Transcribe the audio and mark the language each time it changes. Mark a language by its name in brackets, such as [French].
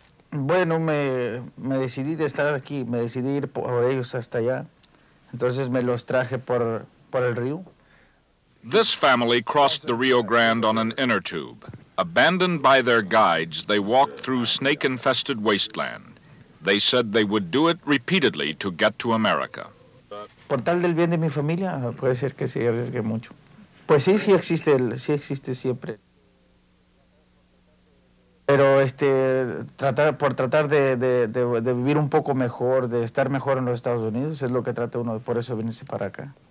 [Spanish] Bueno, me decidí de estar aquí, me decidí ir por ellos hasta allá. Entonces me los traje por el río. [English] This family crossed the Rio Grande on an inner tube. Abandoned by their guides, they walked through snake-infested wasteland. They said they would do it repeatedly to get to America. [Spanish] Por tal del bien de mi familia, puede ser que se arriesgue mucho. Pues sí, sí existe siempre. Pero tratar de vivir un poco mejor, de estar mejor en los Estados Unidos, es lo que trata uno, por eso venirse para acá.